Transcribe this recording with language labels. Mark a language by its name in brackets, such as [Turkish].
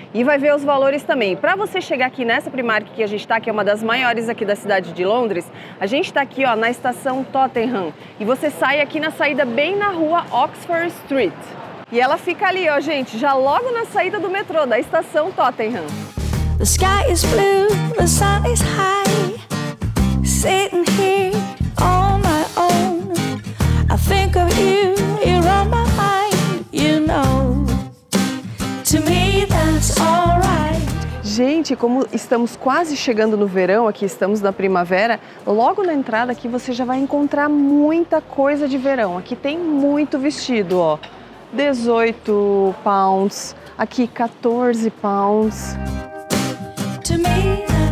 [Portuguese] E vai ver os valores também. Para você chegar aqui nessa Primark que a gente está, que é uma das maiores aqui da cidade de Londres, a gente está aqui, ó, na estação Tottenham. E você sai aqui na saída bem na rua Oxford Street. E ela fica ali, ó, gente, já logo na saída do metrô, da estação Tottenham. [English] The sky is blue, the sun is high. Sitting here on my own, I think of you, you're on my mind, you know. To me that's all right. [Portuguese] Gente, como estamos quase chegando no verão, aqui estamos na primavera, logo na entrada aqui você já vai encontrar muita coisa de verão. Aqui tem muito vestido, ó. 18 pounds, aqui 14 pounds. [English] To me.